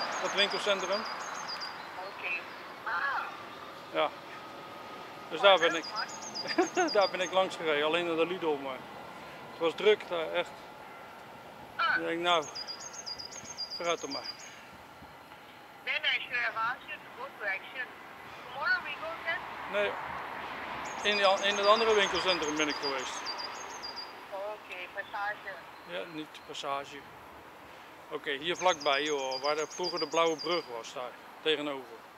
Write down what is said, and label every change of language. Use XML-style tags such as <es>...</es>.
<nl>Dat winkelcentrum. Oké. Okay. Ah. Ja. Dus daar ben ik. Daar ben ik langs gereden, alleen naar de Lidl, maar. Het was druk daar, echt. Ah. Ik denk, nou, vooruit dan maar.</nl> <en>Then I should have asked you to go to Action. Tomorrow we go then?</en> <nl>Nee. In het andere winkelcentrum ben ik geweest. Oké, Passage. Ja, niet Passage. Oké, hier vlakbij joh, waar vroeger de Blauwe Brug was daar, tegenover.</nl>